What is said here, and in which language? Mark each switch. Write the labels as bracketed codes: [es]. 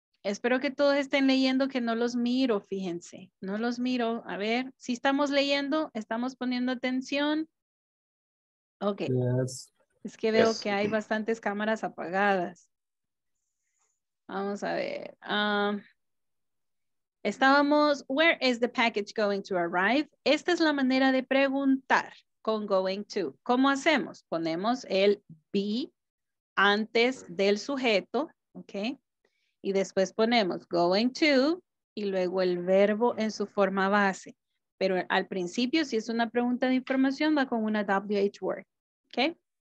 [es] Espero que todos estén leyendo, que no los miro, fíjense. No los miro. A ver, si estamos leyendo, estamos poniendo atención. [en] Okay. Yes. [es] Es que veo, yes, que hay bastantes cámaras apagadas. Vamos a ver. Estábamos, [en] where is the package going to arrive? [es] Esta es la manera de preguntar con going to. ¿Cómo hacemos? Ponemos el be antes del sujeto, okay? Y después ponemos going to y luego el verbo en su forma base. Pero al principio, si es una pregunta de información, va con una WH word, okay?